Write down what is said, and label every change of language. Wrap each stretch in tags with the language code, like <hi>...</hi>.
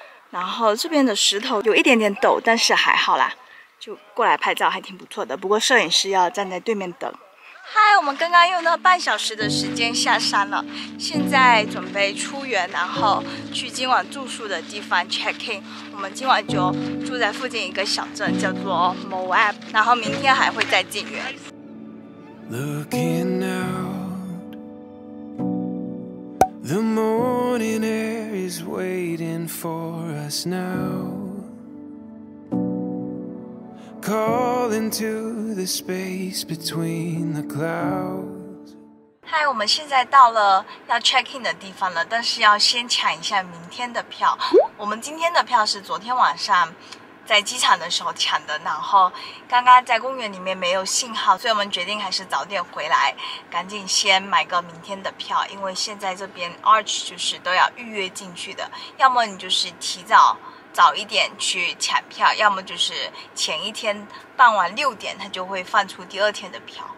<zh>然后这边的石头有一点点陡，但是还好啦，就过来拍照还挺不错的，不过摄影师要站在对面等。嗨，我们刚刚用了半小时的时间下山了，现在准备出园，然后去今晚住宿的地方 check in。我们今晚就住在附近一个小镇叫做 Moab， 然后明天还会再进园。</zh> <en>Looking out The morning air is waiting for us now Calling to the space between the clouds。</en> <zh>嗨，我们现在到了要 check in 的地方了，但是要先抢一下明天的票。我们今天的票是昨天晚上在机场的时候抢的，然后刚刚在公园里面没有信号，所以我们决定还是早点回来，赶紧先买个明天的票，因为现在这边 Arch 就是都要预约进去的，要么你就是提早早一点去抢票，要么就是前一天傍晚6点他就会放出第二天的票。</zh>